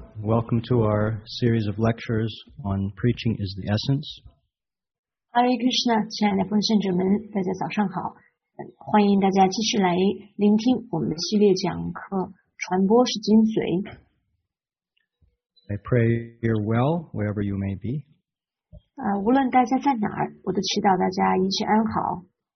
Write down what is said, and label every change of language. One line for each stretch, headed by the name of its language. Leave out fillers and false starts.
English: Welcome to our series of lectures on Preaching is the Essence.
Chinese: Hare Krishna, 亲爱的奉献者们，大家早上好。欢迎大家继续来聆听我们的系列讲课，传播是精髓。
English: I pray you're well, wherever you may be.
Chinese: 无论大家在哪儿，我都祈祷大家一切安好。